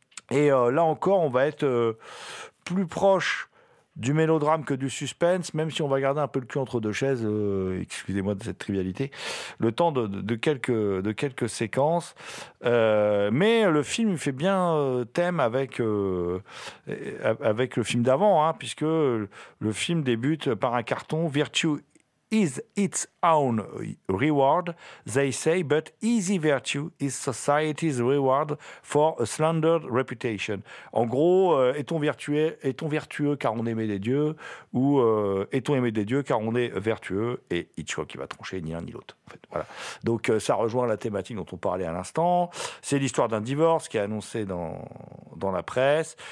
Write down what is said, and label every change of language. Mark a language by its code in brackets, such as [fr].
[fr] Et là encore, on va être plus proche du mélodrame que du suspense, même si on va garder un peu le cul entre deux chaises, excusez-moi de cette trivialité, le temps de quelques séquences. Mais le film fait bien thème avec le film d'avant, hein, puisque le film débute par un carton. [en] Virtue is its own reward, they say, but easy virtue is society's reward for a slandered reputation. [fr] En gros, est-on vertueux car on aimait des dieux, ou est-on aimé des dieux car on est vertueux? Et Hitchcock qui va trancher ni l'un ni l'autre. En fait. Voilà. Donc ça rejoint la thématique dont on parlait à l'instant. C'est l'histoire d'un divorce qui est annoncé dans la presse.